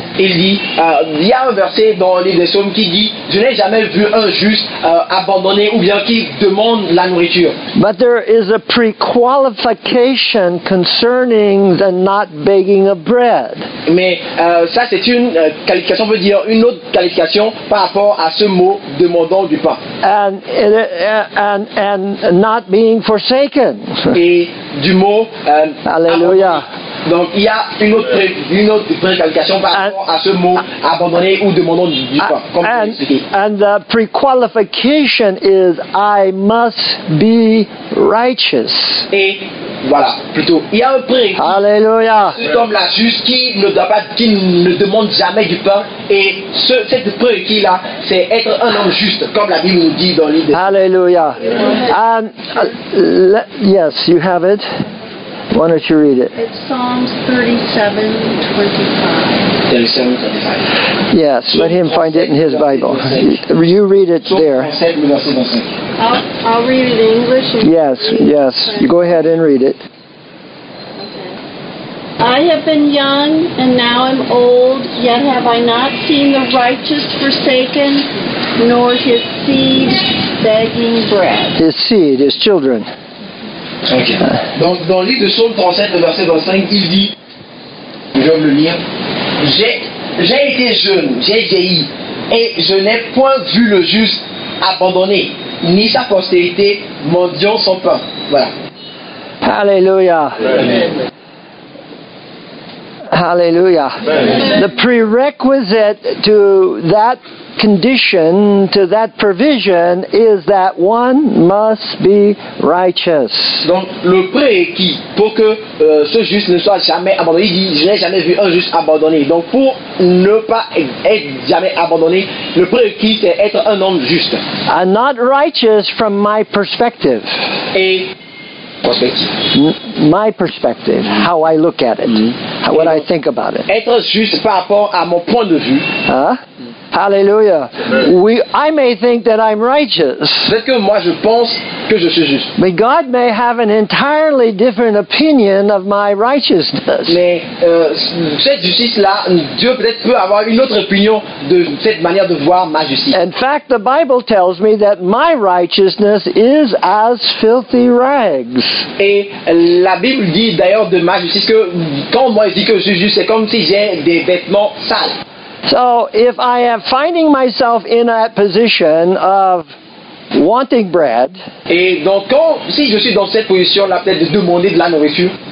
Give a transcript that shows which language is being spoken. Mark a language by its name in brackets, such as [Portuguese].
[French] Il dit, il y a un verset dans le livre des Psaumes qui dit, je n'ai jamais vu un juste abandonné ou bien qui demande la nourriture. [English] But there is a pre-qualification concerning the not begging of bread. [French] Mais ça c'est une qualification, on peut dire une autre qualification par rapport à ce mot demandant du pain. [English] And not being forsaken. [French] Et du mot. Hallelujah. Donc il y a une autre préqualification par rapport à ce mot abandonner ou demander du pain. [English] And the prequalification is I must be righteous. [French] Et voilà, plutôt il y a un prix. Alléluia. Cet homme là juste qui ne doit pas, qui ne demande jamais du pain, et cette prix qu'il a, c'est être un homme juste, comme la Bible nous dit dans l'Idée. [English] Alléluia. Yes, you have it. Why don't you read it? It's Psalms 37:25. Yes, let him find it in his Bible. You read it there. I'll read it in English. Yes. You go ahead and read it. I have been young and now I'm old, yet have I not seen the righteous forsaken, nor his seed begging bread. His seed, his children. Okay. [French] Donc, dans le livre de Psaume 37, le verset 25, il dit, je vais le lire, j'ai été jeune, j'ai vieilli, et je n'ai point vu le juste abandonné, ni sa postérité mendiant son pain. Voilà. Alléluia. Amen. Hallelujah. [English] The prerequisite to that condition, to that provision, is that one must be righteous. [French] Donc le prérequis pour que ce juste ne soit jamais abandonné, il dit, je n'ai jamais vu un juste abandonné. Donc pour ne pas être jamais abandonné, le prérequis c'est être un homme juste. [English] I'm not righteous from my perspective. [French] Et [English] my perspective, how I look at it, what I think about it. [French] Être juste par rapport à mon point de vue. [English] Huh? Hallelujah. I may think that I'm righteous. [French] Peut-être que moi je pense que je suis juste. [English] But God may have an entirely different opinion of my righteousness. [French] Mais cette justice-là, Dieu peut-être peut avoir une autre opinion de cette manière de voir ma justice. [English] In fact, the Bible tells me that my righteousness is as filthy rags. [French] Et la Bible dit d'ailleurs de ma justice que quand moi je dis que je suis juste, c'est comme si j'ai des vêtements sales. [English] So if I am finding myself in that position of wanting bread, [French] et donc quand, si je suis dans cette position là peut-être de demander de la nourriture,